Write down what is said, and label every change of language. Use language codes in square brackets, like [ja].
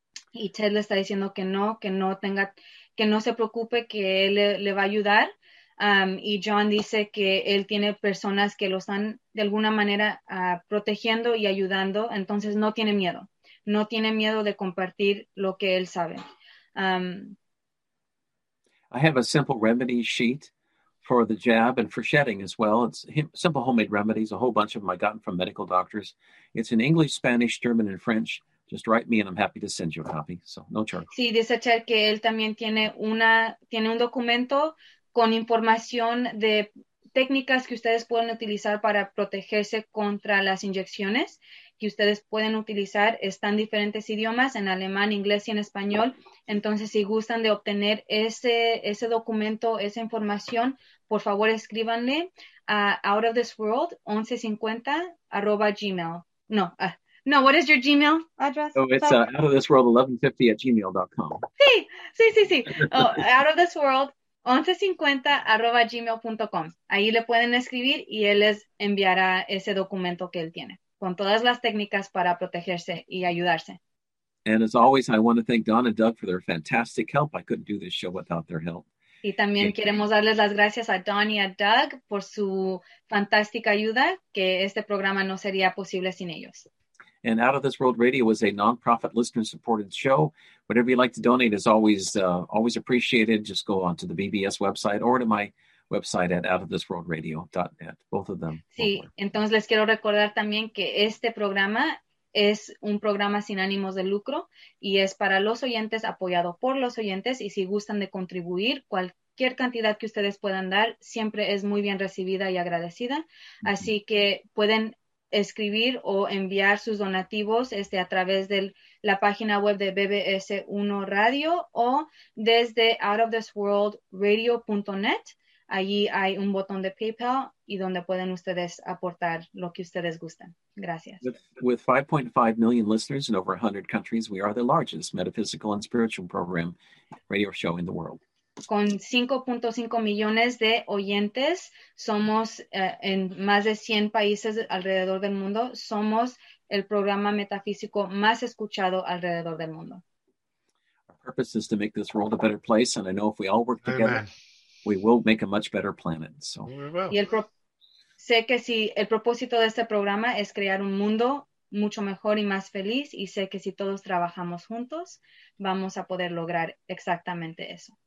[es] Y Ted le está diciendo que no se preocupe, que él le va a ayudar. Y John dice que él tiene personas que lo están de alguna manera protegiendo y ayudando, entonces no tiene miedo, no tiene miedo de compartir lo que él sabe. [en] I have a simple remedy sheet for the jab and for shedding as well. It's simple homemade remedies. A whole bunch of them I gotten from medical doctors. It's in English, Spanish, German, and French. Just write me and I'm happy to send you a copy. So no charge. [es] Sí, dice Cher que él también tiene una, tiene un documento con información de técnicas que ustedes pueden utilizar para protegerse contra las inyecciones que ustedes pueden utilizar. Están diferentes idiomas, en alemán, inglés y en español. Entonces, si gustan de obtener ese documento, esa información, por favor escríbanle a outofthisworld1150@gmail. [en] No, what is your Gmail address? Oh, it's outofthisworld1150@gmail.com. [es] Sí. Oh, outofthisworld1150@gmail.com. Ahí le pueden escribir y él les enviará ese documento que él tiene con todas las técnicas para protegerse y ayudarse. [en] And as always, I want to thank Don and Doug for their fantastic help. I couldn't do this show without their help. [es] Y también queremos darles las gracias a Don y a Doug por su fantástica ayuda, que este programa no sería posible sin ellos. [en] And Out of This World Radio was a nonprofit, listener-supported show. Whatever you'd like to donate is always always appreciated. Just go onto the BBS website or to my website at outofthisworldradio.net. Both of them. [es] Sí, entonces les quiero recordar también que este programa es un programa sin ánimos de lucro y es para los oyentes, apoyado por los oyentes. Y si gustan de contribuir, cualquier cantidad que ustedes puedan dar siempre es muy bien recibida y agradecida. Mm-hmm. Así que pueden escribir o enviar sus donativos a través de la página web de BBS Uno Radio o desde outofthisworldradio.net. Allí hay un botón de PayPal y donde pueden ustedes aportar lo que ustedes gusten. Gracias. [en] With 5.5 million listeners in over 100 countries, we are the largest metaphysical and spiritual program radio show in the world. [es] Con 5.5 millones de oyentes, somos en más de 100 países alrededor del mundo, somos el programa metafísico más escuchado alrededor del mundo. [en] Our purpose is to make this world a better place, and I know if we all work together, Amen. We will make a much better planet. So. [es] Y el sé que si el propósito de este programa es crear un mundo mucho mejor y más feliz, y sé que si todos trabajamos juntos, vamos a poder lograr exactamente eso.